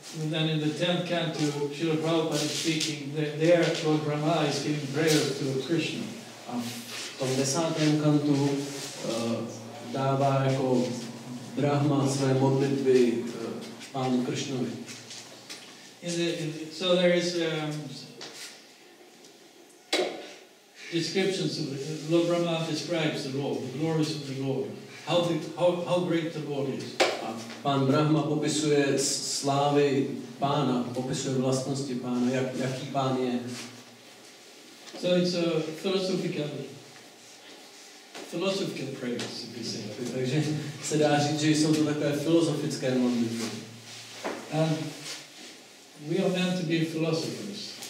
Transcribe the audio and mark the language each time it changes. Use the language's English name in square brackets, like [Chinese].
[English] Then in the 10th canto, Srila Prabhupada is speaking, there Lord Brahma is giving prayers to Krishna. [Czech] A v tom 10. kantu dává jako Brahma své modlitby pánu Krishnovi. [English] So there is descriptions of Lord Brahma describes the Lord, the glories of the Lord, how great the Lord is. [Czech] A pan Brahma popisuje slávy pána, popisuje vlastnosti pána, jaký pán je. [English] So it's a philosophical prayers, if you say. [Czech] Takže se dá říct, že jsou to takové filozofické modlitby. [English] And we are meant to be philosophers.